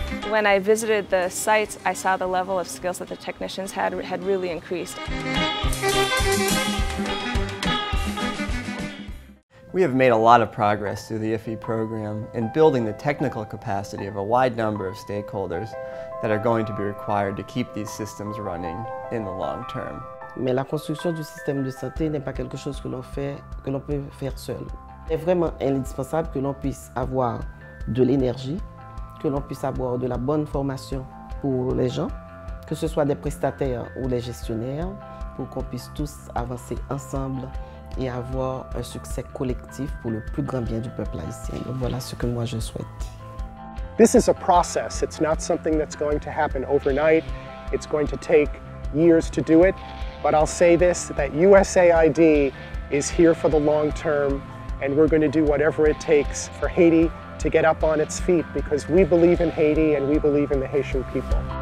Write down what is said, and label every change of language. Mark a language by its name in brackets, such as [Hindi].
[English] When I visited the sites, I saw the level of skills that the technicians had really increased. We have made a lot of progress through the IHFI program in building the technical capacity of a wide number of stakeholders that are going to be required to keep these systems running in the long term. [French] Mais la construction du système de santé n'est pas quelque chose que l'on fait, que l'on peut faire seul. C'est vraiment indispensable que l'on puisse avoir de l'énergie, que l'on puisse avoir de la bonne formation pour les gens, que ce soit des prestataires ou les gestionnaires, pour qu'on puisse tous avancer ensemble et avoir un succès collectif pour le plus grand bien du peuple haïtien. Donc voilà ce que moi je souhaite. [English] This is a process. It's not something that's going to happen overnight. It's going to take years to do it. But I'll say this, that USAID is here for the long term, and we're going to do whatever it takes for Haiti to get up on its feet, because we believe in Haiti and we believe in the Haitian people.